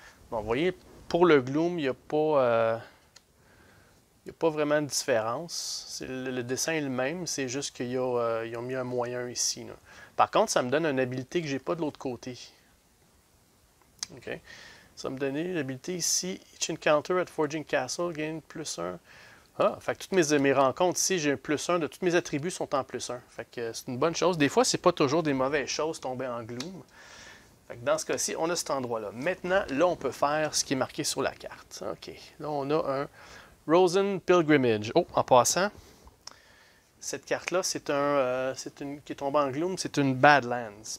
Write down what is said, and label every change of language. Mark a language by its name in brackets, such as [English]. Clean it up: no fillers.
[French] Bon, vous voyez, pour le gloom, il n'y a pas vraiment de différence. Le dessin est le même, c'est juste qu'ils ont mis un moyen ici, là. Par contre, ça me donne une habilité que je n'ai pas de l'autre côté. Okay. Ça me donnait l'habilité ici. [English] Each encounter at Forging Castle gain plus 1. [French] Ah, fait que toutes mes rencontres ici, j'ai un plus 1 de tous mes attributs sont en plus 1. Fait que c'est une bonne chose. Des fois, c'est pas toujours des mauvaises choses tombées en gloom. Fait que dans ce cas-ci, on a cet endroit-là. Maintenant, là, on peut faire ce qui est marqué sur la carte. OK. Là, on a un Rosen Pilgrimage. Oh, en passant, cette carte-là, qui est tombée en gloom, c'est une Badlands.